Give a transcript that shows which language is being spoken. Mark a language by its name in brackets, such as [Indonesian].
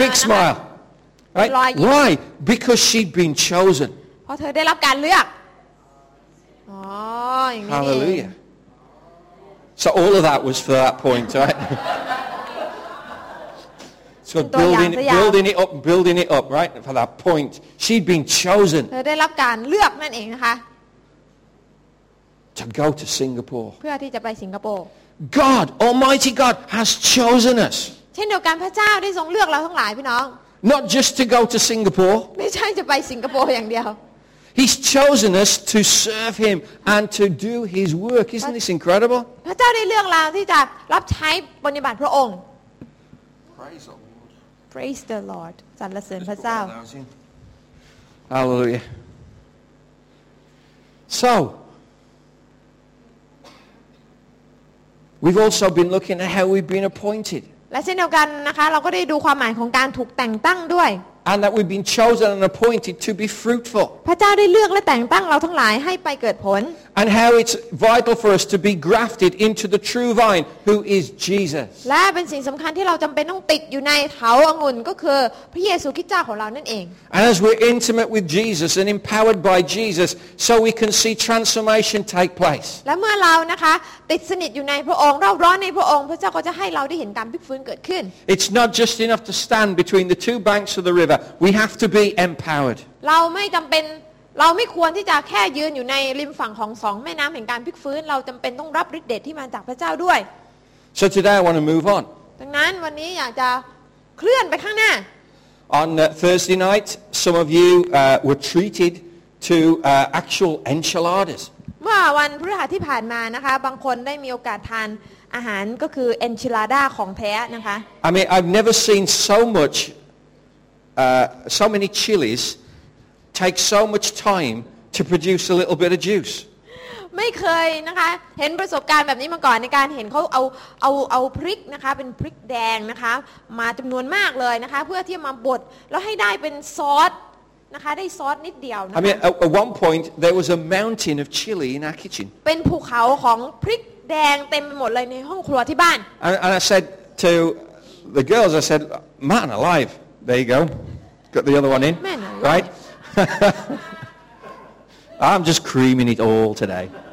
[English] big smile right why because she'd been chosen [Thai] เพราะเธอได้รับการเลือกอ๋ออย่างนี้ [English] Hallelujah so all of that was for that point right So building it up, building it up, right? For that point, she'd been chosen. [Thai] เธอได้รับการเลือกนั่นเองนะคะ [English] To go to Singapore. [Thai] เพื่อที่จะไปสิงคโปร์ [English] God, Almighty God, has chosen us. [Thai] เช่นเดียวกันพระเจ้าได้ทรงเลือกเราทั้งหลายพี่น้อง [English] Not just to go to Singapore. [Thai] ไม่ใช่จะไปสิงคโปร์อย่างเดียว [English] He's chosen us to serve Him and to do His work. Isn't this incredible? [Thai] พระเจ้าได้เลือกเราที่จะรับใช้ปฏิบัติพระองค์ [English] Praise the Lord. [Thai] สรรเสริญพระเจ้า [English] Hallelujah. So, we've also been looking at how we've been appointed. [Thai] และเช่นเดียวกันนะคะเราก็ได้ดูความหมายของการถูกแต่งตั้งด้วย [English] And that we've been chosen and appointed to be fruitful. [Thai] พระเจ้าได้เลือกและแต่งตั้งเราทั้งหลายให้ไปเกิดผล [English] And how it's vital for us to be grafted into the true vine, who is Jesus. [Thai] และเป็นสิ่งสำคัญที่เราจำเป็นต้องติดอยู่ในเถาองุ่นก็คือพระเยซูคริสต์เจ้าของเรานั่นเอง [English] And as we're intimate with Jesus and empowered by Jesus, so we can see transformation take place. [Thai] และเมื่อเรานะคะติดสนิทอยู่ในพระองค์เราร้อนในพระองค์พระเจ้าก็จะให้เราได้เห็นการพลิกฟื้นเกิดขึ้น [English] It's not just enough to stand between the two banks of the riverWe have to be empowered. [Thai] เราไม่จำเป็นเราไม่ควรที่จะแค่ยืนอยู่ในริมฝั่งของสองแม่น้ำแห่งการพลิกฟื้นเราจำเป็นต้องรับฤทธิ์เดชที่มาจากพระเจ้าด้วย [English] So today I want to move on. [Thai] ดังนั้นวันนี้อยากจะเคลื่อนไปข้างหน้า [English] On Thursday night, some of you were treated to actual enchiladas. [Thai] เมื่อวันพฤหัสที่ผ่านมานะคะบางคนได้มีโอกาสทานอาหารก็คือ enchilada ของแท้นะคะ [English] I mean I've never seen so muchso many chilies take so much time to produce a little bit of juice [Thai] ไม่เคยนะคะเห็นประสบการณ์แบบนี้มาก่อนในการเห็นเค้าเอาพริกนะคะเป็นพริกแดงนะคะมาจํานวนมากเลยนะคะเพื่อที่จะมาบดแล้วให้ได้เป็นซอสนะคะได้ซอสนิดเดียวนะ [English] I mean at one point there was a mountain of chili in our kitchen [Thai] เป็นภูเขาของพริกแดงเต็มไปหมดเลยในห้องครัวที่บ้าน [English] And I said to the girls I said man aliveThere you go. Got the other one in. Man, right? I'm just creaming it all today.